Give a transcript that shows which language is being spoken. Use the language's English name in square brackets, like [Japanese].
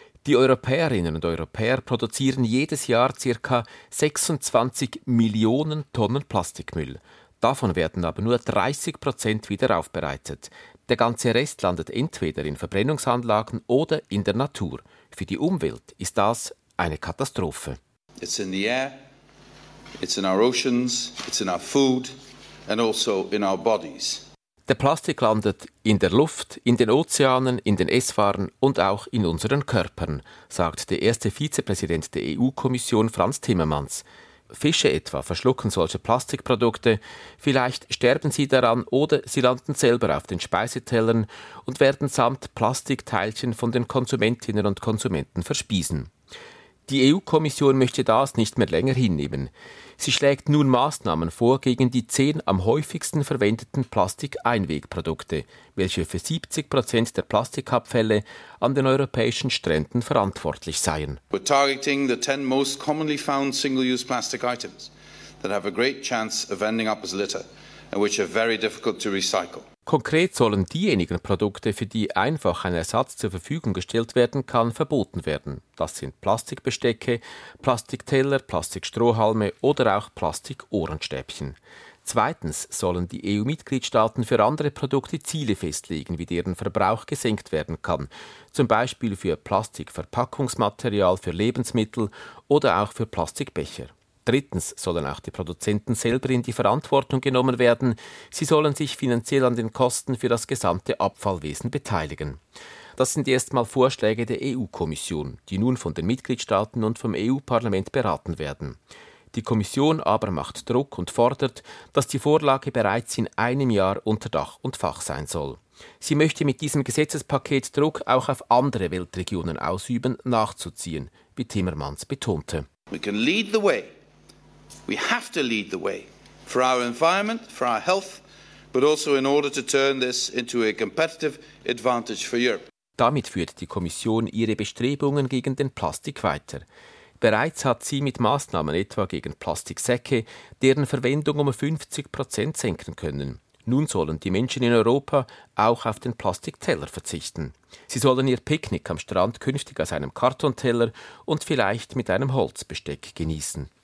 [German] Die Europäerinnen und Europäer produzieren jedes Jahr ca. 26 Millionen Tonnen Plastikmüll. Davon werden aber nur 30% wieder aufbereitet. Der ganze Rest landet entweder in Verbrennungsanlagen oder in der Natur. Für die Umwelt ist das eine Katastrophe. [English] It's in the air, it's in our oceans, it's in our food and also in our bodies. [German] Der Plastik landet in der Luft, in den Ozeanen, in den Esswaren und auch in unseren Körpern, sagt der erste Vizepräsident der EU-Kommission Franz Timmermans. Fische etwa verschlucken solche Plastikprodukte, vielleicht sterben sie daran oder sie landen selber auf den Speisetellern und werden samt Plastikteilchen von den Konsumentinnen und Konsumenten verspiesen. Die EU-Kommission möchte das nicht mehr länger hinnehmen. Sie schlägt nun Maßnahmen vor gegen die 10 am häufigsten verwendeten Plastikeinwegprodukte, welche für 70% der Plastikabfälle an den europäischen Stränden verantwortlich seien. [English] We're targeting the 10 most commonly found single-use plastic items that have a great chance of ending up as litter and which are very difficult to recycle. [German] Konkret sollen diejenigen Produkte, für die einfach ein Ersatz zur Verfügung gestellt werden kann, verboten werden. Das sind Plastikbestecke, Plastikteller, Plastikstrohhalme oder auch Plastikohrenstäbchen. Zweitens sollen die EU-Mitgliedstaaten für andere Produkte Ziele festlegen, wie deren Verbrauch gesenkt werden kann. Zum Beispiel für Plastikverpackungsmaterial, für Lebensmittel oder auch für Plastikbecher. Drittens sollen auch die Produzenten selber in die Verantwortung genommen werden. Sie sollen sich finanziell an den Kosten für das gesamte Abfallwesen beteiligen. Das sind erstmal Vorschläge der EU-Kommission, die nun von den Mitgliedstaaten und vom EU-Parlament beraten werden. Die Kommission aber macht Druck und fordert, dass die Vorlage bereits in einem Jahr unter Dach und Fach sein soll. Sie möchte mit diesem Gesetzespaket Druck auch auf andere Weltregionen ausüben, nachzuziehen, wie Timmermans betonte. [English] We can lead the way. We have to lead the way for our environment, for our health, but also in order to turn this into a competitive advantage for Europe. [German] Damit führt die Kommission ihre Bestrebungen gegen den Plastik weiter. Bereits hat sie mit Maßnahmen etwa gegen Plastiksäcke, deren Verwendung um 50% senken können. Nun sollen die Menschen in Europa auch auf den Plastikteller verzichten. Sie sollen ihr Picknick am Strand künftig aus einem Kartonteller und vielleicht mit einem Holzbesteck genießen.